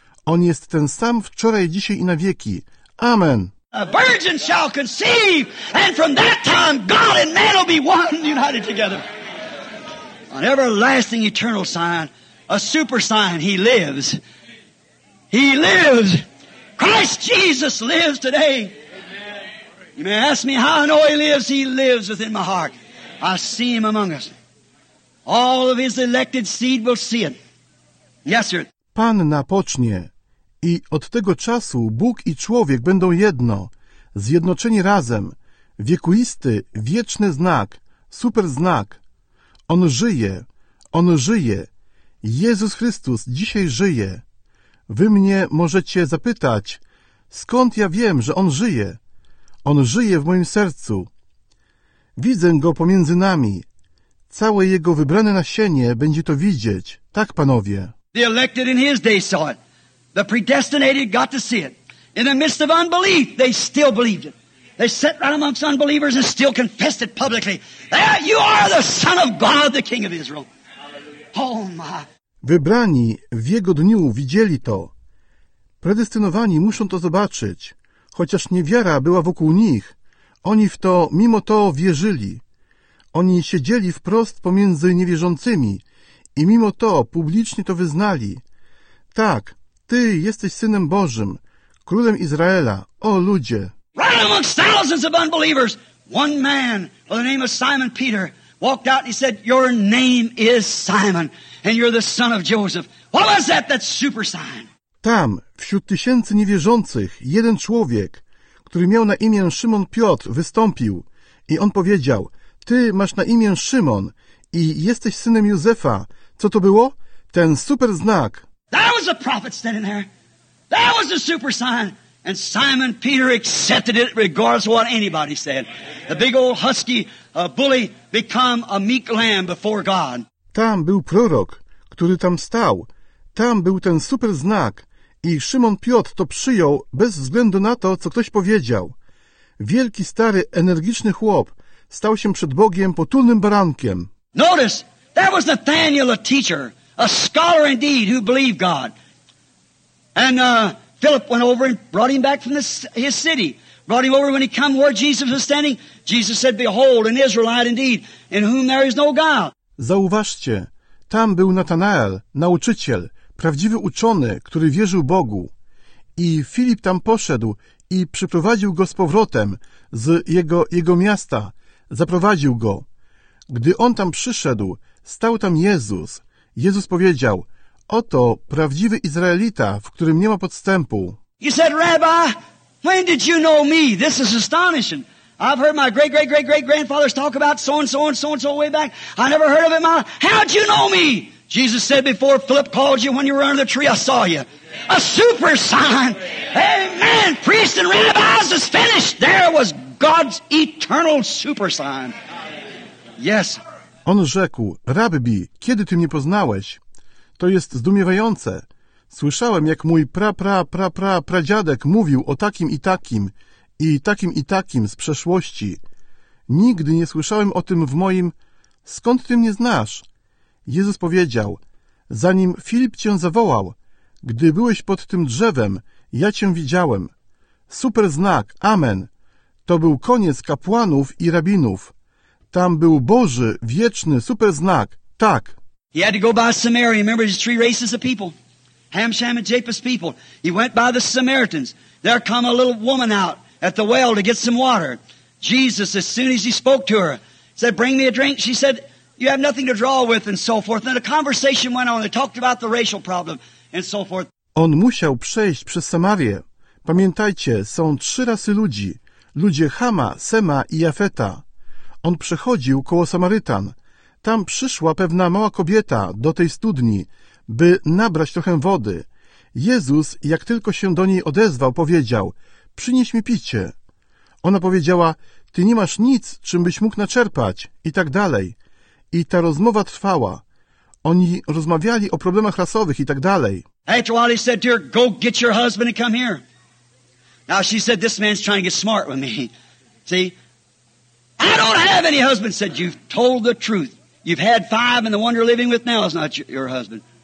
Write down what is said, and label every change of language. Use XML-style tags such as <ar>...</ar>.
<pl>On jest ten sam wczoraj, dzisiaj i na wieki. Amen.</pl> <en>A virgin shall conceive, and from that time God and man will be one, united together. An everlasting eternal sign, a super sign, he lives. He lives. Christ Jesus lives today. Amen. You may ask me how I know he lives. He lives within my heart. I see him among us. All of his elected seed will see it. Yes, sir.</en> <pl>Pan napocznie. I od tego czasu Bóg i człowiek będą jedno, zjednoczeni razem. Wiekuisty, wieczny znak, super znak. On żyje. On żyje. Jezus Chrystus dzisiaj żyje. Wy mnie możecie zapytać, Skąd ja wiem, że On żyje? On żyje w moim sercu. Widzę Go pomiędzy nami. Całe Jego wybrane nasienie będzie to widzieć. Tak, panowie?</pl> <en>The elected in his day saw it. The predestinated got to see it. In the midst of unbelief, they still believed it. They sat right amongst unbelievers and still confessed it publicly. That you are the Son of God, the King of Israel. Oh my.</en> <pl>Wybrani w Jego dniu widzieli to. Predestynowani muszą to zobaczyć. Chociaż niewiara była wokół nich, oni w to mimo to wierzyli. Oni siedzieli wprost pomiędzy niewierzącymi i mimo to publicznie to wyznali. Tak, Ty jesteś Synem Bożym, Królem Izraela, o ludzie.</pl> <en>Right amongst thousands of unbelievers, one man by the name of Simon Peter walked out and he said, your name is Simon and you're the son of Joseph. What was that, that super sign?</en> <pl>Tam, wśród tysięcy niewierzących, jeden człowiek, który miał na imię Szymon Piotr, wystąpił i on powiedział, Ty masz na imię Szymon i jesteś synem Józefa. Co to było? Ten super znak.</pl> <en>That was a prophet standing there. That was a super sign. And Simon Peter accepted it regardless of what anybody said. The big old husky bully became a meek lamb before God.</en> <pl>Tam był prorok, który tam stał. Tam był ten super znak i Szymon Piotr to przyjął bez względu na to, co ktoś powiedział. Wielki, stary, energiczny chłop stał się przed Bogiem potulnym barankiem.</pl> <en>Notice, that was Nathaniel, a teacher, a scholar indeed, who believed God. And Philip went over and brought him back from his city. Brought him over when he came where Jesus was standing. Jesus said, behold, an Israelite indeed, in whom there is no God.</en> <pl>Zauważcie, tam był Natanael, nauczyciel, prawdziwy uczony, który wierzył Bogu. I Filip tam poszedł i przyprowadził go z powrotem z jego miasta. Zaprowadził go. Gdy on tam przyszedł, stał tam Jezus. Jezus powiedział, oto prawdziwy Izraelita, w którym nie ma podstępu.</pl> <en>He said, Rabbi, when did you know me? This is astonishing. I've heard my great-great-great-great-grandfathers talk about so-and-so way back. I never heard of him. How'd you know me? Jesus said, before Philip called you, when you were under the tree, I saw you. A super sign. Amen. Priest and rabbis is finished. There was God's eternal super sign. Yes.</en> <pl>On rzekł, Rabbi, kiedy ty mnie poznałeś? To jest zdumiewające. Słyszałem, jak mój pra-pra-pra-pra-pradziadek mówił o takim i takim i takim z przeszłości. Nigdy nie słyszałem o tym w moim... Skąd ty mnie znasz? Jezus powiedział, zanim Filip cię zawołał, gdy byłeś pod tym drzewem, ja cię widziałem. Super znak, amen. To był koniec kapłanów i rabinów. Tam był Boży, wieczny, super znak, tak.</pl> <en>He had to go by Samaria. Remember, there's three races of people. Ham, Shem, and Japheth's people. He went by the Samaritans. There come a little woman out at the well to get some water. Jesus, as soon as he spoke to her, said, bring me a drink. She said, you have nothing to draw with, and so forth. And the conversation went on. They talked about the racial problem, and so forth.</en> <pl>On musiał przejść przez Samarię. Pamiętajcie, są trzy rasy ludzi. Ludzie Hama, Sema i Jafeta. On przechodził koło Samarytan. Tam przyszła pewna mała kobieta do tej studni, by nabrać trochę wody. Jezus, jak tylko się do niej odezwał, powiedział, przynieś mi picie. Ona powiedziała, ty nie masz nic, czym byś mógł naczerpać, i tak dalej. I ta rozmowa trwała. Oni rozmawiali o problemach rasowych, i tak dalej.</pl> <en>After a while he said to her, go get your husband and come here. Now she said, this man's trying to get smart with me. See? I don't have any husband, said, you've told the truth. You've had five and the one you're living with now is not your husband.</en>